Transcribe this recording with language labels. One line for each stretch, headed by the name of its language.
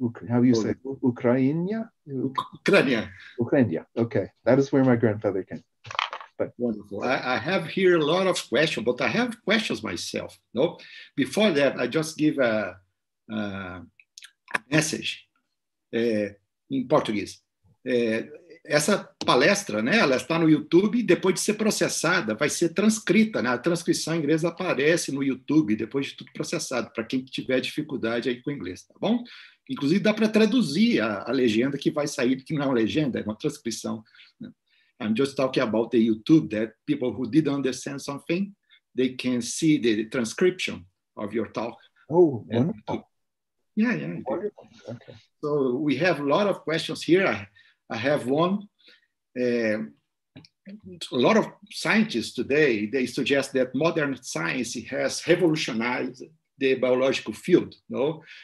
English: How you say? Ukraina. Ukraina. Okay, that is where my grandfather came. But wonderful. I have here a lot of questions, but I have questions myself. No, before that, I just give a message in Portuguese.
Portuguese: Essa palestra, né, ela está no YouTube, depois de ser processada, vai ser transcrita, né? A transcrição em inglês aparece no YouTube depois de tudo processado, para quem tiver dificuldade aí com o inglês, tá bom? Inclusive, dá para traduzir a legenda que vai sair, que não é uma legenda, é uma transcrição.
English: I'm just talking about the YouTube, that people who didn't understand something, they can see the transcription of your talk. Oh, wonderful. Yeah. Wonderful. Okay. So we have a lot of questions here. I have one. A lot of scientists today, they suggest that modern science has revolutionized the biological field, no?